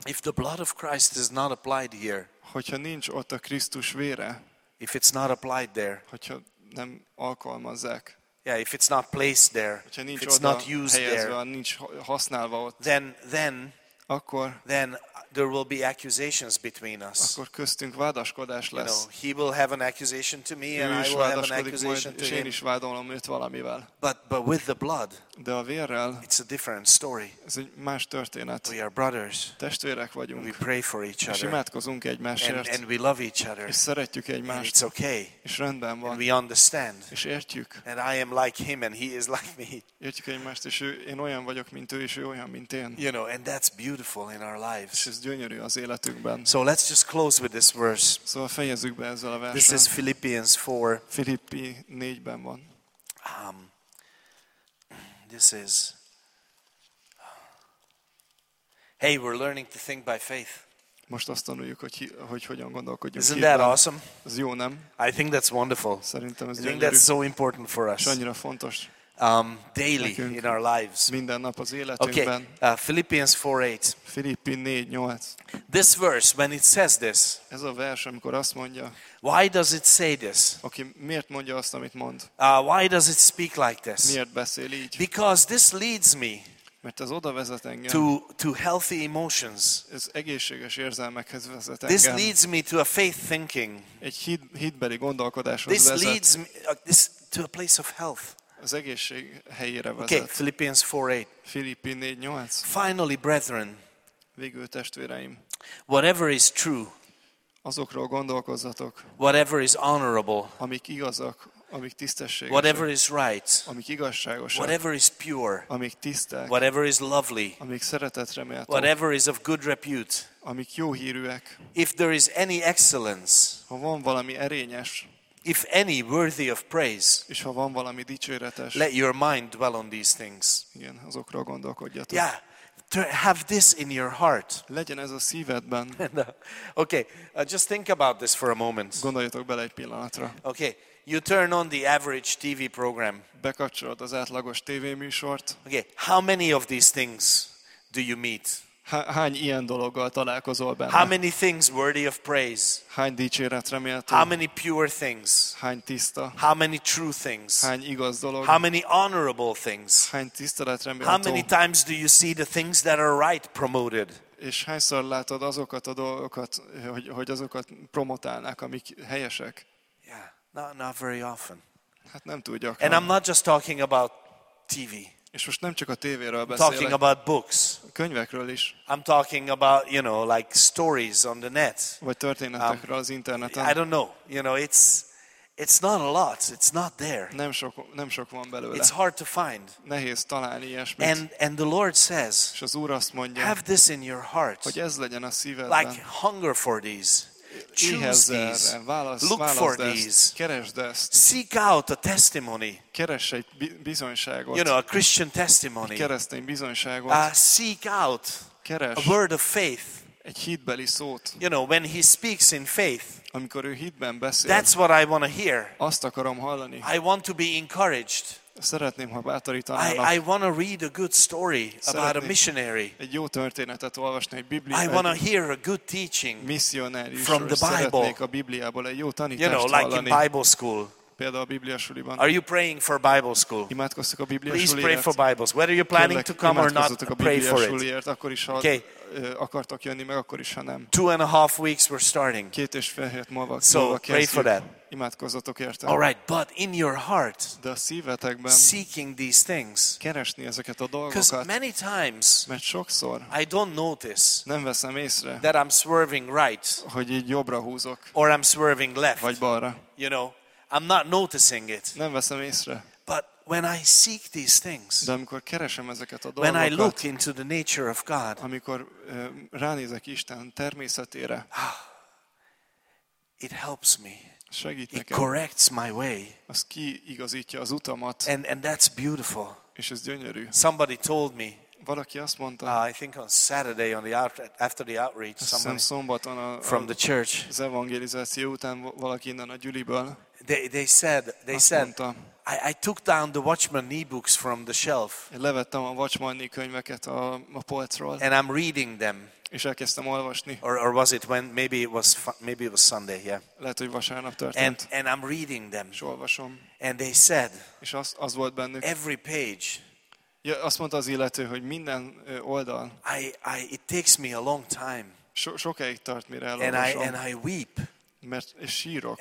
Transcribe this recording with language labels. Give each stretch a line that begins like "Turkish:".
English: If the blood of Christ is not applied here.
Hungarian: Hogyha nincs ott a Krisztus vére.
English: If it's not applied there.
Hungarian: Hogyha nem alkalmazzák.
English: Yeah, if it's not placed there.
Hungarian: Hogyha nincs
English: if it's not used
Hungarian: helyezve,
English: there.
Hungarian: Nincs használva ott.
English: Then.
Hungarian: Akkor.
English: Then. There will be accusations between us.
Hungarian: Akkor köztünk vádaskodás lesz.
English: You know, he will have an accusation to me and I will have an accusation to him.
Hungarian: Én is vádolom őt valamivel.
English: But with the blood.
Hungarian: De a vérrel.
English: It's a different story.
Hungarian: Ez egy más történet.
English: We are brothers.
Hungarian: Testvérek vagyunk.
English: We pray for each other.
Hungarian: És imádkozunk egymásért.
English: And we love each other.
Hungarian: És szeretjük egymást.
English: And it's okay.
Hungarian: És rendben van.
English: And we understand.
Hungarian: És értjük.
English: And I am like him and he is like me.
Hungarian: Értjük egymást, és én olyan vagyok mint ő és ő olyan mint én.
English: You know, and that's beautiful in our lives.
Hungarian: Gyönyörű az életünkben.
English: So let's just close with this verse.
Hungarian: Szóval fejezzük be ezzel a versen.
English: This is Philippians 4.
Hungarian: Filippi 4-ben van.
English: This is. Hey, we're learning to think by faith.
Hungarian: Most azt tanuljuk, hogy hogyan gondolkodjunk.
English: Isn't that awesome?
Hungarian: Ez jó, nem?
English: I think that's wonderful.
Hungarian: Szerintem ez gyönyörű.
English: I think that's so important for us.
Hungarian: És annyira fontos.
English: daily in our lives.
Hungarian: Minden nap az életünkben.
English: Okay. Philippians 4:8.
Hungarian: Filippi 4:8.
English: This verse when it says this.
Hungarian: Ez a vers, amikor azt mondja.
English: Why does it say this?
Hungarian: Okay, miért mondja azt, amit mond?
English: Why does it speak like this?
Hungarian: Miért beszél így?
English: Because this leads me.
Hungarian: Mert ez oda vezet engem.
English: To healthy emotions.
Hungarian: Ez egészséges érzelmekhez vezet engem.
English: This leads me to a faith thinking.
Hungarian: Egy hitbeli gondolkodáshoz
English: this
Hungarian: vezet.
English: This leads me this to a place of health.
Hungarian: Az egészség helyére vezet.
English: Okay, Philippians 4:8.
Hungarian: Filippi 4:8.
English: Finally, brethren.
Hungarian: Végül testvéreim.
English: Whatever is true.
Hungarian: Azokról gondolkozzatok.
English: Whatever is honorable.
Hungarian: Amik igazak, amik tisztességesek.
English: Whatever is right.
Hungarian: Amik igazságosak.
English: Whatever is pure.
Hungarian: Amik tiszták.
English: Whatever is lovely.
Hungarian: Amik szeretetre méltók.
English: Whatever is of good repute.
Hungarian: Amik jó hírűek.
English: If there is any excellence.
Hungarian: Ha van valami erényes.
English: If any worthy of praise,
Hungarian: és ha van valami dicséretes,
English: let your mind dwell on these things.
Hungarian: Igen, azokról gondolkodjatok.
English: Yeah, have this in your heart.
Hungarian: Legyen ez a szívedben.
English: Okay, just think about this for a moment.
Hungarian: Gondoljatok bele egy pillanatra.
English: Okay, you turn on the average TV program.
Hungarian: Bekapcsolod az átlagos tévéműsort.
English: Okay, how many of these things do you meet?
Hungarian: Hány ilyen dologgal találkozol benne?
English: How many things worthy of praise?
Hungarian: Hány dicséretre méltó?
English: How many pure things?
Hungarian: Hány tiszta?
English: How many true things?
Hungarian: Hány igaz dolog?
English: How many honorable things?
Hungarian: Hány tiszteletre méltó?
English: How many times do you see the things that are right promoted?
Hungarian: És hányszor látod azokat a dolgokat, hogy azokat promotálnak, amik helyesek?
English: Yeah, not very often.
Hungarian: Hát nem túl gyakran.
English: And I'm not just talking about TV.
Hungarian: És most nem csak a tévéről beszélek.
English: Talking about books.
Hungarian: Könyvekről is.
English: I'm talking about, you know, like stories on the net.
Hungarian: Vagy történetekről az interneten.
English: I don't know. You know, it's not a lot. It's not there.
Hungarian: Nem sok van belőle.
English: It's hard to find.
Hungarian: Nehéz találni ilyesmit.
English: And the Lord says,
Hungarian: és az Úr azt mondja,
English: have this in your heart.
Hungarian: Hogy ez legyen a szívedben.
English: Like hunger for these. Choose these. Look for these.
Hungarian: Keresd ezt.
English: Seek out a testimony.
Hungarian: Keresd egy bizonyságot.
English: You know, a Christian testimony.
Hungarian: Keresztény bizonyságot.
English: Seek out.
Hungarian: Keresd
English: a word of faith.
Hungarian: Egy hitbeli szót.
English: You know, when he speaks in faith.
Hungarian: Amikor ő hitben beszél.
English: That's what I want to hear.
Hungarian: Azt akarom hallani.
English: I want to be encouraged.
Hungarian: Szeretném, ha bátorítanának.
English: I want to read a good story about a missionary.
Hungarian: Egy jó történetet olvasni, egy Biblia.
English: I want to hear a good teaching from the Bible.
Hungarian: Szeretnék a Bibliából egy jó tanítást hallani.
English: You know, like
Hungarian: hallani.
English: In Bible school.
Hungarian: Például a Biblia suliban.
English: Are you praying for Bible school?
Hungarian: Imádkoztok a Biblia suliért.
English: Please pray for Bibles. Whether you're planning to come or not, pray for it.
Hungarian: Suliért, akkor is, ha okay. Akartok jönni, meg akkor is, ha nem.
English: 2.5 weeks we're starting.
Hungarian: Két és fél hét múlva.
English: So pray for that.
Hungarian: Imádkozzatok érte.
English: All right, but in your heart,
Hungarian: de a szívetekben,
English: seeking these things,
Hungarian: keresni ezeket a dolgokat.
English: Because many times,
Hungarian: mert sokszor,
English: I don't notice,
Hungarian: nem veszem észre,
English: that I'm swerving right,
Hungarian: hogy így jobbra húzok,
English: or I'm swerving left,
Hungarian: vagy balra.
English: You know, I'm not noticing it.
Hungarian: Nem veszem észre.
English: But when I seek these things,
Hungarian: de amikor keresem ezeket a dolgokat,
English: when I look into the nature of God,
Hungarian: amikor ránézek Isten természetére,
English: it helps me.
Hungarian: Segít nekem.
English: It corrects my way.
Hungarian: Az kiigazítja az utamat.
English: And that's beautiful.
Hungarian: És ez gyönyörű.
English: Somebody told me.
Hungarian: Valaki azt mondta.
English: I think on Saturday on the after the outreach somebody.
Hungarian: Szombaton
English: from the church.
Hungarian: Az evangelizáció után valaki innen a gyüliből.
English: They said
Hungarian: mondta,
English: I took down the Watchman Nee books from the shelf.
Hungarian: Levettem a Watchman Nee könyveket a polcról.
English: And I'm reading them.
Hungarian: És elkezdtem olvasni.
English: Or was it when maybe it was Sunday, yeah.
Hungarian: Lehet, hogy vasárnap történt.
English: And I'm reading them.
Hungarian: És olvasom.
English: And they said.
Hungarian: És az volt bennük.
English: Every page.
Hungarian: Ja, azt mondta az illető, hogy minden oldal.
English: I it takes me a long time.
Hungarian: Sokáig tart, mire elolvasom.
English: And I weep.
Hungarian: Mert és sírok.